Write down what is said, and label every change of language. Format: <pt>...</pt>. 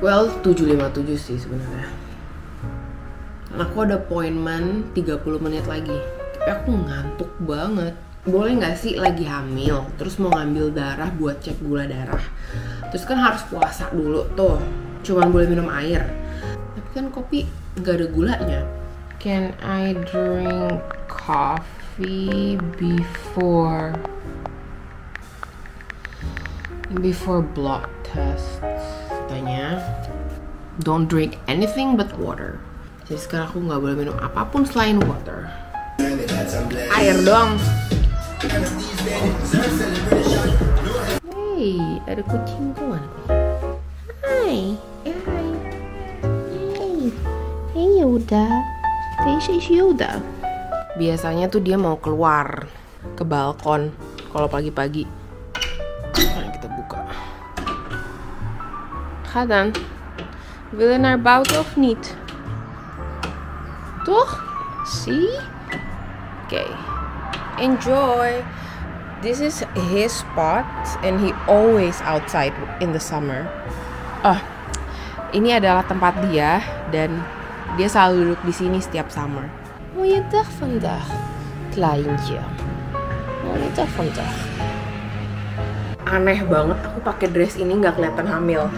<id>Well, 7.57 sih sebenarnya. Dan aku ada appointment 30 menit lagi. Tapi aku ngantuk banget. Boleh gak sih lagi hamil terus mau ngambil darah buat cek gula darah? Terus kan harus puasa dulu tuh. Cuman boleh minum air. Tapi kan kopi gak ada gulanya.</id> <en>Can I drink coffee before blood tests?</en> <id>Tanya.</id> <en>Don't drink anything but water.</en> <id>Jadi sekarang aku gak boleh minum apapun selain water. Air dong. Hey, ada kucing tuh mana? Hi.</id> <en>Yoda, this is Yoda.</en> <id>Biasanya tuh dia mau keluar ke balkon kalau pagi-pagi. Nah, kita buka.</id> <nl>Kadan, willen er buiten of niet?</nl> <en>Toch? See? Okay. Enjoy. This is his spot, and he always outside in the summer.</en> <id>Oh, ini adalah tempat dia dan dia selalu duduk di sini setiap summer.</id> <nl>Mooie dag vandaag, kleintje. Mooie dag vandaag.</nl> <id>Aneh banget, aku pakai dress ini nggak kelihatan hamil.</id>